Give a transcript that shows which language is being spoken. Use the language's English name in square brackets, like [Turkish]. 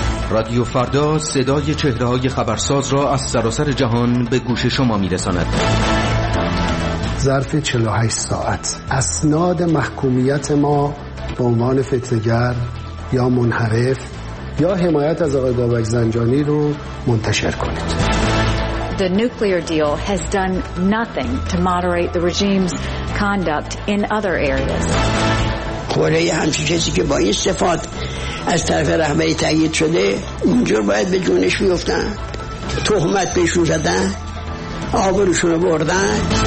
[Persian] رادیو فردا صدای چهره‌های خبرساز را از سراسر جهان به گوش شما می‌رساند. ظرف 48 ساعت اسناد محکومیت ما به عنوان فتنه‌گر یا منحرف یا حمایت از آقای بابک زنجانی رو منتشر کنید. [English] The nuclear deal has done nothing to moderate the regime's conduct in other areas. [Persian] کره همچی کسی که با این صفات از طرف رهبری تأیید شده اونجور باید به جونش میفتن، تهمت بهشون زدن، آبروشون رو بردن.